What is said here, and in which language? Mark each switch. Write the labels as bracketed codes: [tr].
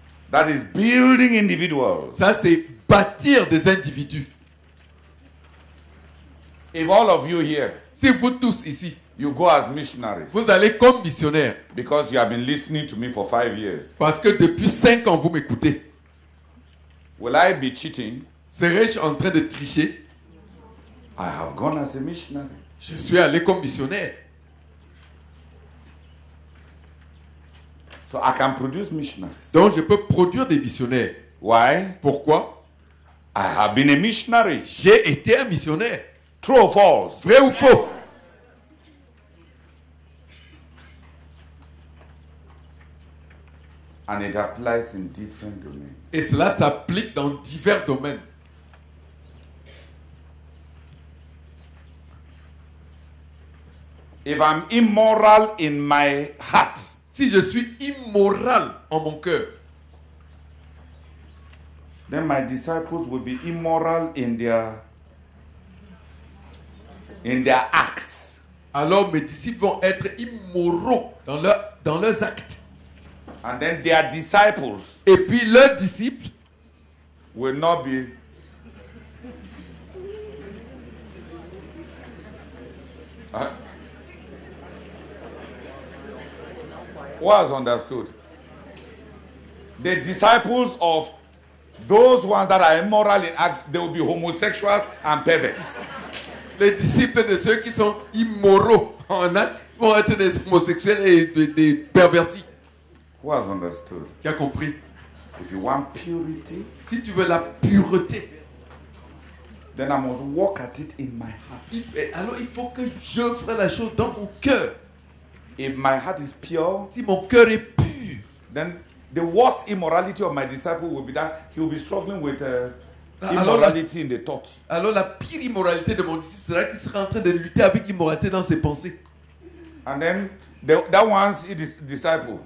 [en] That is building individuals. [fr] Ça c'est bâtir des individus. [en] If all of you here, [fr] si vous tous ici, [en] you go as missionaries, [fr] vous allez comme missionnaires, [en] because you have been listening to me for 5 years, [fr] parce que depuis 5 ans vous m'écoutez, [en] will I be cheating? [fr] Serais-je en train de tricher? [en] I have gone as a missionary. [fr] Je suis allé comme missionnaire. [en] So I can produce missionaries. [fr] Donc je peux produire des missionnaires. [en] Why? [fr] Pourquoi? [en] I have been a missionary. [fr] J'ai été un missionnaire. [en] True or false? [fr] Vrai ou faux? [en] And it applies in different domains. [fr] Et cela s'applique dans divers domaines. [en] If I'm immoral in my heart, [fr] si je suis immoral en mon cœur, [en] then my disciples will be immoral in their acts. [fr] Alors mes disciples vont être immoraux dans leurs actes. [en] And then their disciples, [fr] et puis leurs disciples, [en] will not be. Was understood. The disciples of those ones that are immoral in acts, they will be homosexuals and perverts. [fr] Les disciples de ceux qui sont immoraux en actes vont être des homosexuels et des pervertis. [en] Was understood. [fr] Qui a compris? [en] If you want purity, [fr] si tu veux la pureté, [en] then I must work at it in my heart. [fr] Alors il faut que je fasse la chose dans mon cœur. [en] If my heart is pure, [fr] si mon cœur est pur, [en] then the worst immorality of my disciple will be that he will be struggling with immorality in the thought. [fr] Alors la pire immoralité de mon disciple sera qu'il sera en train de lutter avec immoralité dans ses pensées. [en] And then that one's his disciple.